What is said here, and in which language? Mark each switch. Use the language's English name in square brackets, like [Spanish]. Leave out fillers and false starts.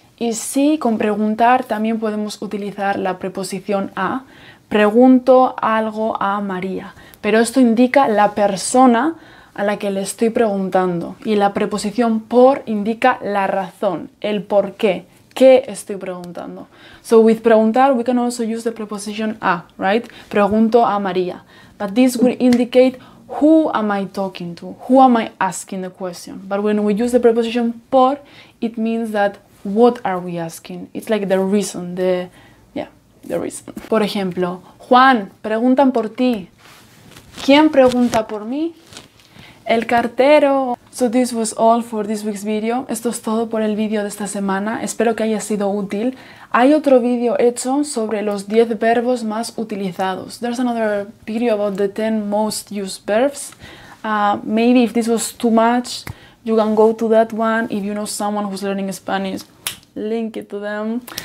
[Spanish] Y sí, con preguntar también podemos utilizar la preposición a. Pregunto algo a María. Pero esto indica la persona a la que le estoy preguntando. Y la preposición por indica la razón, el por qué. ¿Qué estoy preguntando? [English] So with preguntar, we can also use the preposition a, right? [Spanish] Pregunto a María. [English] But this would indicate who am I talking to? Who am I asking the question? But when we use the preposition por, it means that what are we asking? It's like the reason, the the reason. [Spanish] Por ejemplo, Juan, preguntan por ti. ¿Quién pregunta por mí? El cartero. [English] So this was all for this week's video. [Spanish] Esto es todo por el video de esta semana. Espero que haya sido útil. Hay otro video hecho sobre los 10 verbos más utilizados. [English] There's another video about the 10 most used verbs. Maybe if this was too much, you can go to that one. If you know someone who's learning Spanish, link it to them.